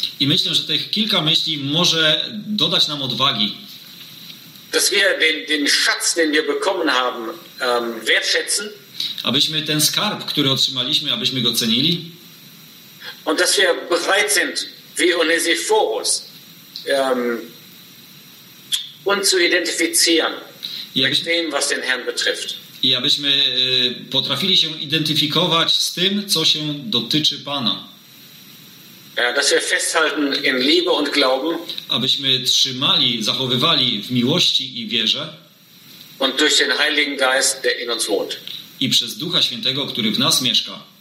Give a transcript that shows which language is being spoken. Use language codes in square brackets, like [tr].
[pl] I myślę, że tych kilka myśli może dodać nam odwagi. [de] Dass wir den Schatz, den wir bekommen haben, wertschätzen. [pl] Abyśmy ten skarb, który otrzymaliśmy, abyśmy go cenili. [de] Und dass wir bereit sind, wie Onesiphorus, uns zu identifizieren mit dem, was den Herrn betrifft. [pl] I abyśmy potrafili się identyfikować z tym, co się dotyczy Pana. [de] Ja, dass wir festhalten in Liebe und Glauben. [pl] Abyśmy trzymali, zachowywali w miłości i wierze. [de] Und durch den Heiligen Geist, der in uns wohnt. [pl] I przez Ducha Świętego, który w nas mieszka.